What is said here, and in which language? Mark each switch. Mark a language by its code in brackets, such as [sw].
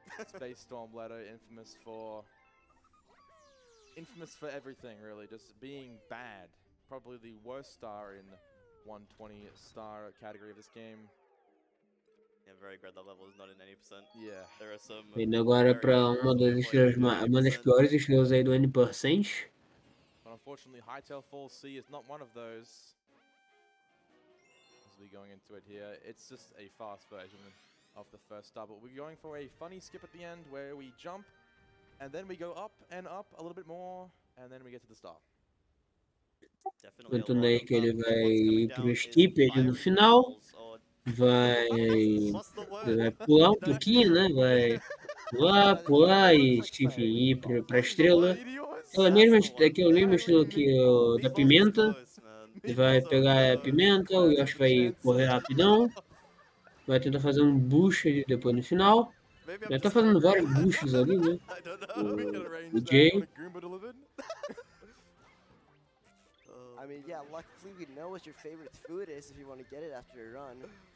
[en] Space Storm letter, infamous for everything, really. Just being bad. Probably the worst star in 120 star category of this game. Yeah, very glad that level is not in 90%. Yeah. There are some. [pt] E agora para uma das estrelas, uma das piores estrelas aí do 90%. [en] But unfortunately, Hytale Falls C is not one of those. As we're going into it here, it's just a fast version of the first star. But we're going for a funny skip at the end where we jump, and then we go up and up a little bit more, and then we get to the star. [pt] Contando aí que ele vai ir pro skip ali no final, vai pular um pouquinho, né? Vai pular e skip ir pra estrela. Aquela mesma estrela que o da pimenta. Ele vai pegar a pimenta, o Yoshi vai correr rapidão. Vai tentar fazer um boost ali depois no final. Já tá fazendo vários boosts ali, né? O Jay. [en] I mean, yeah, luckily we know what your favorite food is if you want to get it after a run.